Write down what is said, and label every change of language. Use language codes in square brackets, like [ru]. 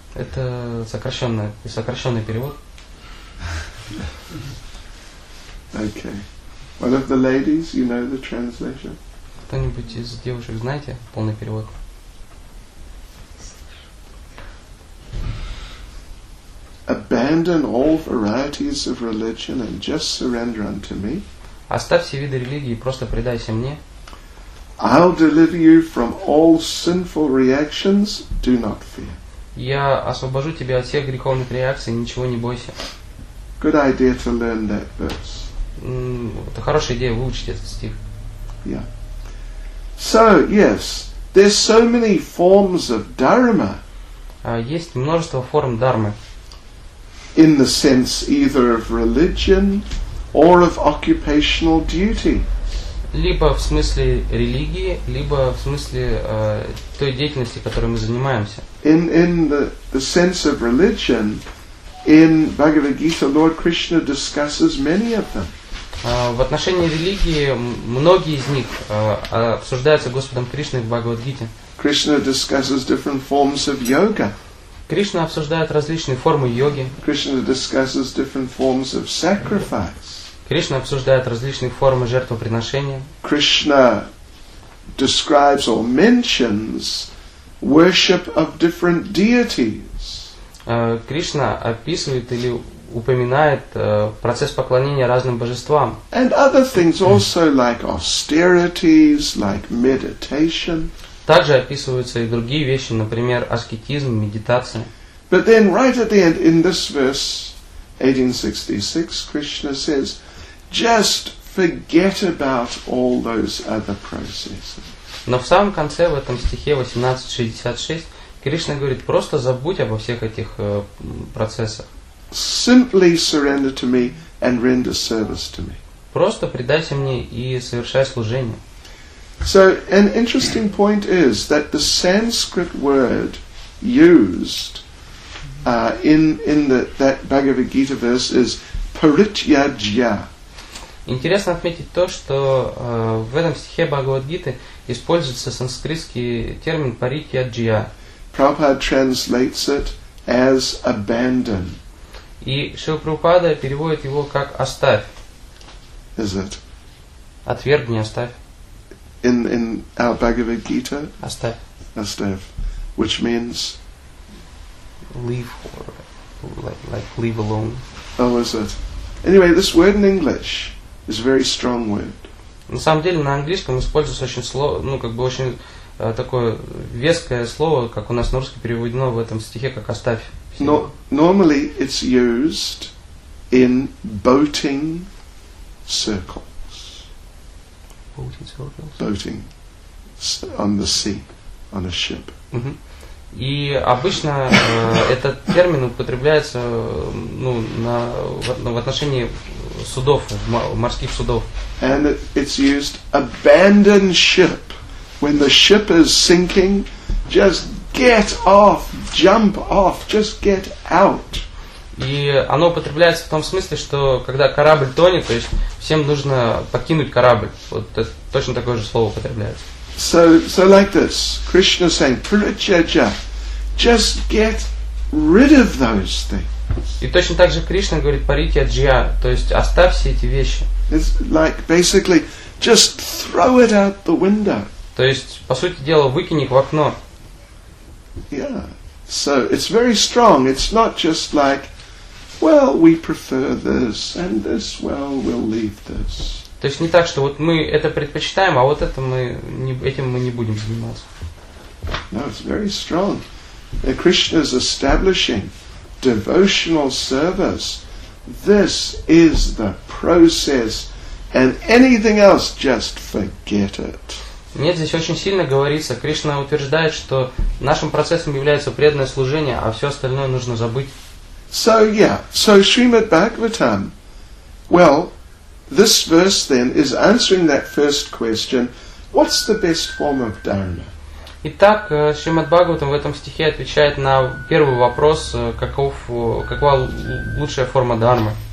[ru] Это сокращенный перевод. [en] Okay. One of the ladies, you know the translation? [ru] Кто-нибудь из девушек знаете полный перевод? [en] Abandon all varieties of religion and just surrender unto me. [ru] Оставь все виды религии и просто предайся мне. [en] I'll deliver you from all sinful reactions. Do not fear. [ru] Я освобожу тебя от всех греховных реакций. Ничего не бойся. [en] Good idea to learn that verse. [ru] Это хорошая идея выучить этот стих. [en] Yeah. So yes, there's so many forms of dharma. [ru] Есть множество форм дармы. [en] In the sense either of religion or of occupational duty. [ru] Либо в смысле религии, либо в смысле той деятельности, которой мы занимаемся. [en] In the sense of religion, in Bhagavad Gita, Lord Krishna discusses many of them. [ru] В отношении религии многие из них обсуждаются Господом Кришной в Бхагавад-гите. [en] Krishna discusses different forms of yoga. [ru] Кришна обсуждает различные формы йоги. [en] Krishna discusses different forms of sacrifice. [ru] Кришна обсуждает различные формы жертвоприношения. [en] Krishna describes or mentions worship of different deities. [ru] Кришна описывает или упоминает процесс поклонения разным божествам. [en] And other things also like austerities, like meditation. [ru] Также описываются и другие вещи, например, аскетизм, медитация. [en] But then right at the end in this verse 18.66 Krishna says, just forget about all those other processes. [ru] Но в самом конце, в этом стихе 18.66, Кришна говорит, просто забудь обо всех этих процессах. [en] Simply surrender to me and render service to me. [ru] Просто предайся мне и совершай служение. [en] So an interesting point is that the Sanskrit word used in that Bhagavad Gita verse is parityajya. [ru] Интересно отметить то, что в этом стихе Бхагавад Гиты используется санскритский термин parityajya. [en] Prabhupada translates it as abandon. [ru] И Шрила Прабхупада переводит его как оставь. [en] Is it? [ru] Отвергни, оставь. [en] In our Bhagavad Gita. [ru] Оставь. [en] Оставь, which means. Leave or like leave alone. Oh, is it? Anyway, this word in English is a very strong word. [ru] На самом деле на английском используется очень слово, ну как бы очень такое веское слово, как у нас на русском переведено в этом стихе как оставь. [en] No, normally it's used in boating circles. Boating circles. Boating on the sea, on a ship. [ru] И обычно этот термин употребляется, ну, в отношении судов, морских судов. [en] And it's used abandon ship when the ship is sinking, just get off, jump off, just get out. [ru] И оно употребляется в том смысле, что когда корабль тонет, то есть всем нужно покинуть корабль. Вот это точно такое же слово употребляется. [en] So like this, Krishna saying, Pritchaja, just get rid of those things. [ru] И точно так же Кришна говорит Парития Джия, то есть оставь все эти вещи. [en] It's like basically just throw it out the window. [ru] То есть, по сути дела, выкинь их в окно. [en] Yeah. So it's very strong. It's not just like, well, we prefer this and this, well, we'll leave this. [ru] То есть не так, что вот мы это предпочитаем, а вот это мы не, этим мы не будем заниматься. [en] No, it's very strong. Krishna is establishing devotional service. This is the process, and anything else, just forget it. [ru] Нет, здесь очень сильно говорится. Кришна утверждает, что нашим процессом является преданное служение, а все остальное нужно забыть. [en] So yeah, so Srimad Bhagavatam. Well, this verse then is answering that first question: what's the best form of dharma? [ru] Итак, Шримад Бхагаватам в этом стихе отвечает на первый вопрос, какова лучшая форма дхармы.